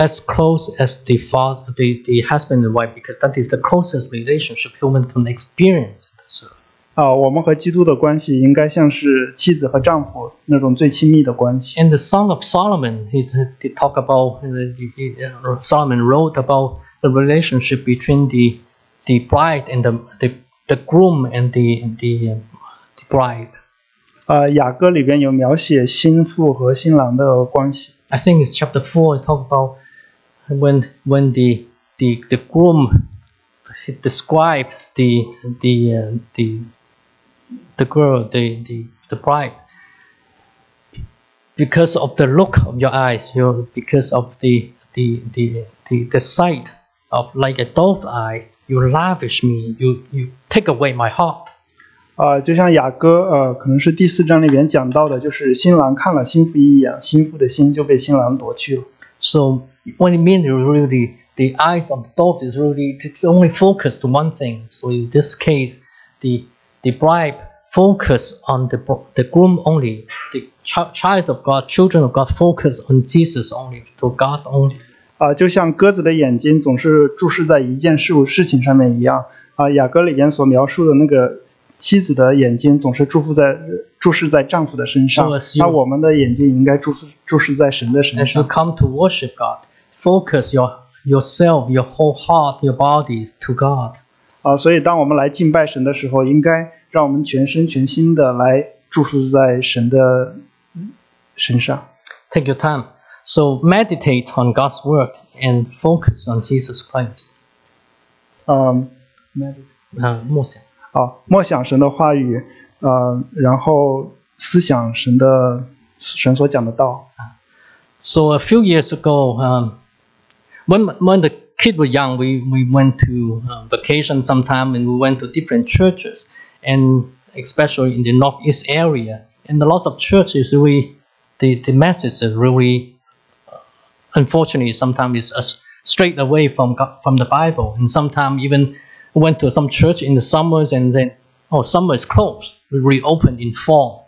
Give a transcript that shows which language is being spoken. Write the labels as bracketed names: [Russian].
[English] As close as the father, the husband and wife, because that is the closest relationship human can experience. [Chinese] 我们和基督的关系应该像是妻子和丈夫那种最亲密的关系。 [English] And the Song of Solomon, he talk about, Solomon wrote about the relationship between the bride and the groom and the bride. [Chinese] 雅歌里边有描写新妇和新郎的关系。 [English] I think it's chapter 4, it talk about when the groom described the girl, the bride, because of the look of your eyes, you know, because of the sight of like a dove's eye, you lavish me, you take away my heart. [Chinese] 就像雅歌，可能是第四章里面讲到的，就是新郎看了新妇一眼，新妇的心就被新郎夺去了。 [English] So what it means really, the eyes of the dove is really only focused on one thing. So in this case, the bride focus on the groom only. The child of God, children of God focus on Jesus only, to God only. [Chinese] 就像鸽子的眼睛总是注视在一件事情上面一样，雅歌里面所描述的那个妻子的眼睛总是注视在丈夫的身上，那我们的眼睛应该注视在神的身上。 [English] As you come to worship God, focus yourself, your whole heart, your body to God. [Chinese] 所以当我们来敬拜神的时候，应该让我们全身全心的来注视在神的身上。 [English] Take your time. So meditate on God's word and focus on Jesus Christ. [Chinese] 默想。默想神的话语，然后思想神所讲的道。 [English] So a few years ago, when the kid was young, we went to vacation sometime and we went to different churches, and especially in the northeast area. And a lot of churches, the message is really, unfortunately, sometimes it's straight away from the Bible, and sometimes even went to some church in the summers and then, summer is closed, we reopened in fall.